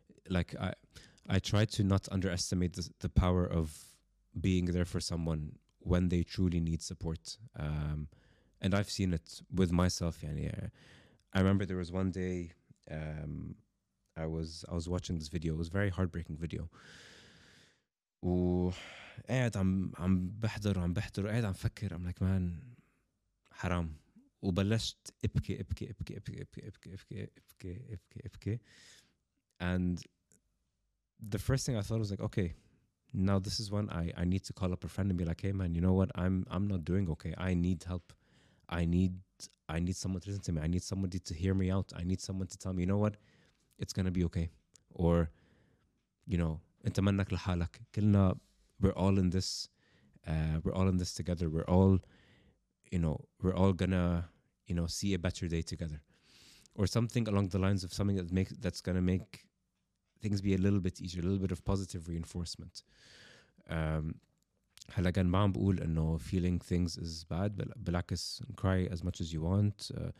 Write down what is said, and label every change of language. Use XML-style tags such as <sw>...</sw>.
<ar>لأنه,</ar> <en>like I try to not underestimate the power of being there for someone when they truly need support. And I've seen it with myself.</en> <ar>يعني,</ar> <en>I remember there was one day I was watching this video. It was a very heartbreaking video.</en> <ar>وقاعد عم بحضر وعم بحضر وقاعد عم فكر.</ar> <en>I'm like, man,</en> <ar>حرام. وبلشت ابكي ابكي ابكي ابكي ابكي ابكي ابكي ابكي ابكي ابكي.</ar> <en>And the first thing I thought was like, okay, now this is when I need to call up a friend and be like, hey man, you know what? I'm not doing okay. I need help. I need someone to listen to me. I need somebody to hear me out. I need someone to tell me, you know what? It's gonna be okay. Or, you know,</en> <ar>انت منك لحالك. كلنا,</ar> <en>we're all in this together. We're all, you know, we're all gonna, you know, see a better day together, or something along the lines of something that's gonna make things be a little bit easier, a little bit of positive reinforcement.</en> <ar>هلا كان ما عم بقول إنه</ar> <en>feeling things is bad, but</en> <ar>بالعكس,</ar> <en>cry as much as you want,</en>